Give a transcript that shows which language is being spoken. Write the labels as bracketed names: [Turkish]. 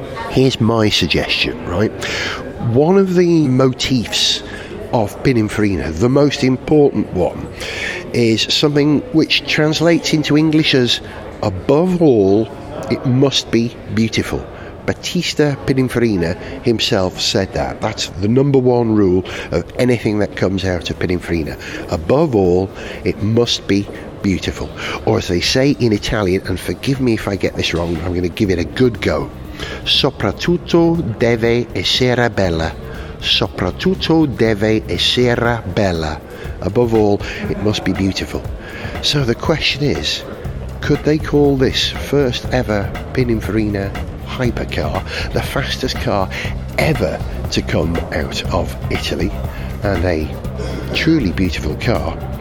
[English] Here's my suggestion, right? One of the motifs of Pininfarina, the most important one, is something which translates into English as, above all, it must be beautiful. Battista Pininfarina himself said that. That's the number one rule of anything that comes out of Pininfarina. Above all, it must be beautiful. Or as they say in Italian, and forgive me if I get this wrong, I'm going to give it a good go. [Italian] Soprattutto deve essere bella. Soprattutto deve essere bella. [English] Above all, it must be beautiful. So the question is, could they call this first ever Pininfarina hypercar the fastest car ever to come out of Italy, and a truly beautiful car?